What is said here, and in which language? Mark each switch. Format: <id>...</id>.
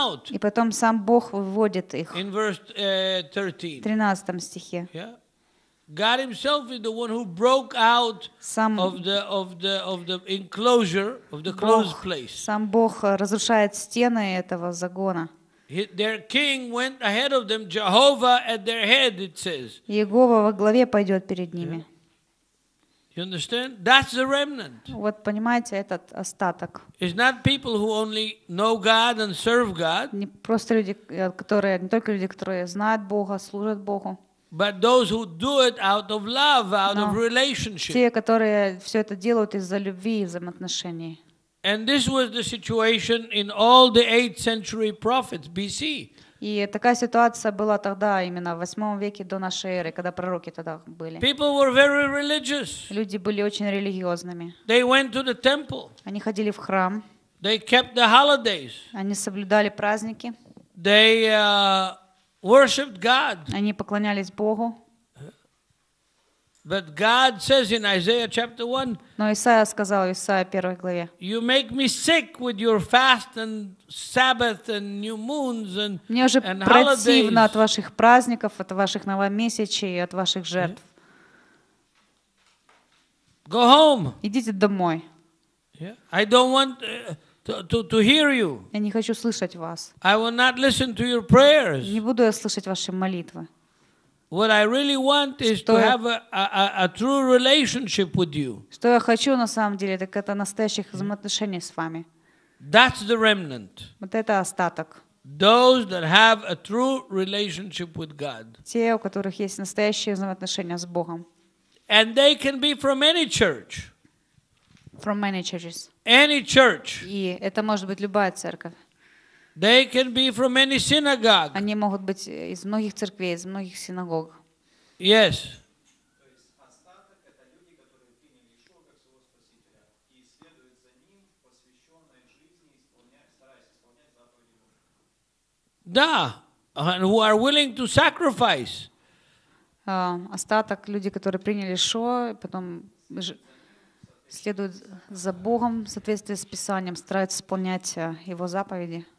<ru>И потом сам Бог выводит их.</ru> <en>In verse 13.</en> <ru>13 стихе.</ru> <en>Yeah. God himself is the one who broke out of the enclosure, of the closed place.</en> <ru>Сам Бог разрушает стены этого загона.</ru> <en>Their king went ahead of them, Jehovah at their head, it says.</en> <ru>Иегова во главе пойдет перед ними.</ru> <en>You understand? That's the remnant.</en> <ru>Вот понимаете, этот остаток.</ru> <en>It's not people who only know God and serve God.</en> <ru>Не просто люди, которые не только люди, которые знают Бога, служат Богу.</ru> <en>But those who do it out of love, out of relationship.</en> <ru>Те, которые все это делают из-за любви, из взаимоотношений.</ru> <en>And this was the situation in all the 8th century prophets BC.</en> <ru>И такая ситуация была тогда, именно в 8 веке до нашей эры, когда пророки тогда были.</ru> <en>People were very religious.</en> <ru>Люди были очень религиозными.</ru> <en>They went to the temple.</en> <ru>Они ходили в храм.</ru> <en>They kept the holidays.</en> <ru>Они соблюдали праздники.</ru> <en>They worshiped God.</en> <ru>Они поклонялись Богу.</ru> <en>But God says in Isaiah chapter 1.</en> <ru>Но Исаия сказал в Исаии 1 главе.</ru> <en>You make me sick with your fast and Sabbath and new moons and holidays.</en> <ru>Мне уже противно от ваших праздников, от ваших новомесячей и от ваших жертв.</ru> <en>Go home.</en> <ru>Идите домой.</ru> <en>Yeah. I don't want to hear you.</en> <ru>Я не хочу слышать вас.</ru> <en>I will not listen to your prayers.</en> <ru>Не буду я слышать ваши молитвы.</ru> <en>What I really want is</en> <ru>что</ru> <en>to have a true relationship with you.</en> <ru>Что я хочу на самом деле, так это настоящих взаимоотношений с вами.</ru> <en>That's the remnant.</en> <ru>Вот это остаток.</ru> <en>Those that have a true relationship with God.</en> <ru>Те, у которых есть настоящие взаимоотношения с Богом.</ru> <en>And they can be from any church. From many churches. Any church.</en> <ru>И это может быть любая церковь.</ru> <en>They can be from any synagogue.</en> <ru>Они могут быть из многих церквей, из многих синагог.</ru> <en>Yes.</en> <ru>То есть остаток — это люди, которые приняли Иешуа как своего спасителя и следуют за ним посвященной жизни, стараясь исполнять заповеди. Да.</ru> <en>And who are willing to sacrifice.</en> <ru>Остаток — люди, которые приняли Иешуа, потом следуют за Богом в соответствии с Писанием, стараются исполнять Его заповеди.</ru>